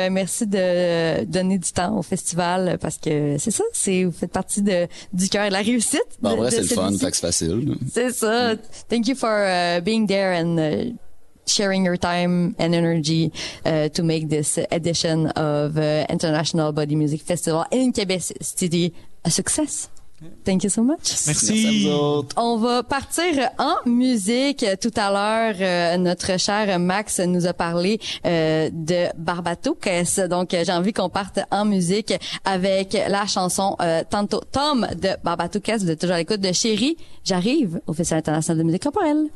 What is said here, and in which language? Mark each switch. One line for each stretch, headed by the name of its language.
French: Merci de donner du temps au festival parce que c'est ça, c'est vous faites partie de du cœur et de la réussite. Bon, en vrai, c'est le fun, fait que c'est facile. C'est ça. Mm.
English: Thank you for being there and sharing your time and energy to make this edition of International Body Music Festival in Quebec City a success. Thank you so much.
French: Merci. On va partir en musique. Tout à l'heure, notre cher Max nous a parlé de Barbatoques. Donc, j'ai envie qu'on parte en musique avec la chanson Tanto Tom de Barbatoques. Vous êtes toujours à l'écoute de Chérie, j'arrive au Festival international de musique corporelle.